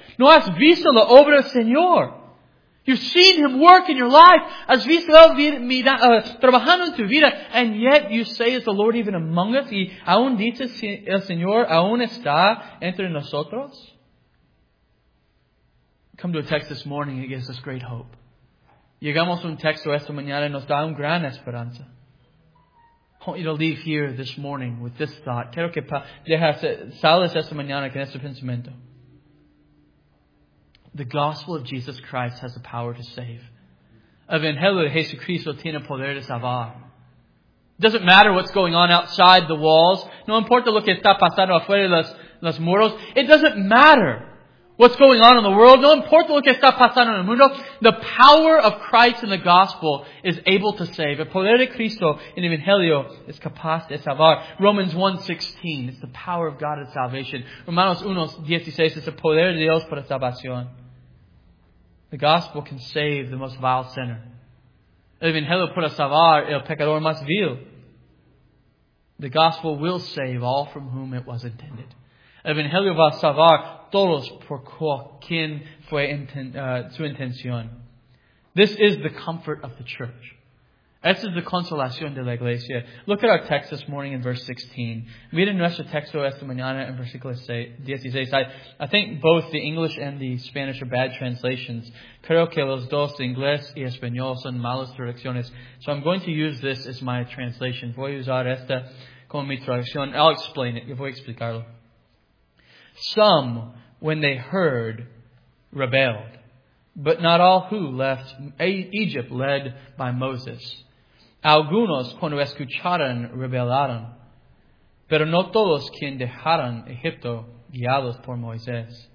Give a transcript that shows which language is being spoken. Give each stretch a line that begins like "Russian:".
Spanish: No has visto la obra del Señor.
English: You've seen Him work in your life.
Spanish: Has visto Él trabajando en tu vida.
English: And yet you say, is the Lord even among us?
Spanish: Y aún dice el Señor, aún está entre nosotros?
English: Come to a text this morning and it gives us great hope.
Spanish: Llegamos a un texto esta mañana y nos da un gran esperanza.
English: I want you to leave here this morning with this thought.
Spanish: Quiero que dejas sales esta mañana con este pensamiento.
English: The gospel of Jesus Christ has the power to save.
Spanish: Evangelio de Jesucristo tiene poder de salvar.
English: Doesn't matter what's going on outside the walls.
Spanish: No importa lo que está pasando afuera de los muros.
English: It doesn't matter. What's going on in the world?
Spanish: No importa lo que está pasando en el mundo.
English: The power of Christ in the gospel is able to save.
Spanish: El poder de Cristo en el Evangelio es capaz de salvar.
English: Romans 1:16. It's the power of God at salvation.
Spanish: Romanos 1:16.
English: It's the
Spanish: poder de Dios para salvación.
English: The gospel can save the most vile sinner.
Spanish: El Evangelio puede salvar el pecador más vil.
English: The gospel will save all from whom it was intended.
Spanish: Evangelio va a salvar todos por quien fue su intención.
English: This is the comfort of the church.
Spanish: Esta es la consolación de la iglesia.
English: Look at our text this morning in verse 16.
Spanish: Miren nuestro texto esta mañana en versículo 16.
English: I think both the English and the Spanish are bad translations.
Spanish: Creo que los dos, inglés y español, son malas traducciones.
English: So I'm going to use this as my translation.
Spanish: Voy a usar esta como mi traducción.
English: I'll explain it.
Spanish: Yo voy a explicarlo.
English: Some, when they heard, rebelled, but not all who left Egypt led by Moses.
Spanish: Algunos, cuando escucharon, rebelaron, pero no todos quien dejaron Egipto guiados por Moisés.